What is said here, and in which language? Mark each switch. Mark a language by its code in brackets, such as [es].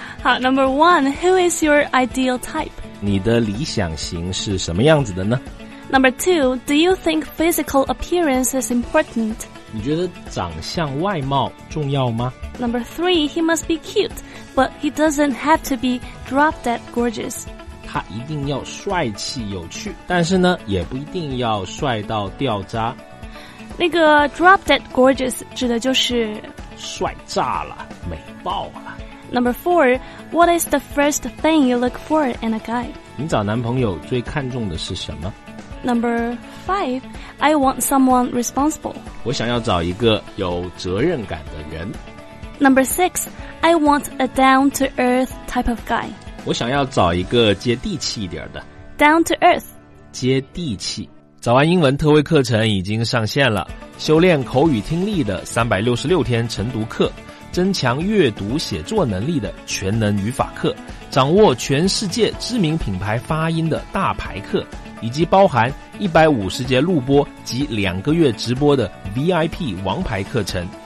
[en] 好 ，Number one, who is your ideal type? [zh] 你的理想型是什么样子的呢 [en] ？Number two, do you think physical appearance is important? [zh] 你觉得长相外貌重要吗 [en] ？Number three, he must be cute, but he doesn't have to be drop dead gorgeous. [zh] 他一定要帅气有趣，但是呢，也不一定要帅到掉渣。那个 [en] drop dead gorgeous [zh] 指的就是帅炸了，美爆了。 [en] Number four, what is the first thing you look for in a guy? [zh] 你找男朋友最看重的是什么 [en] ？Number five, I want someone responsible. [zh] 我想要找一个有责任感的人。 [en] Number six, I want a down to earth type of guy. [zh] 我想要找一个接地气一点的 [en] Down to earth [zh] 接地气。早安英文特惠课程已经上线了，修炼口语听力的366天晨读课，增强阅读写作能力的全能语法课，掌握全世界知名品牌发音的大牌课，以及包含150节录播及2个月直播的 VIP 王牌课程。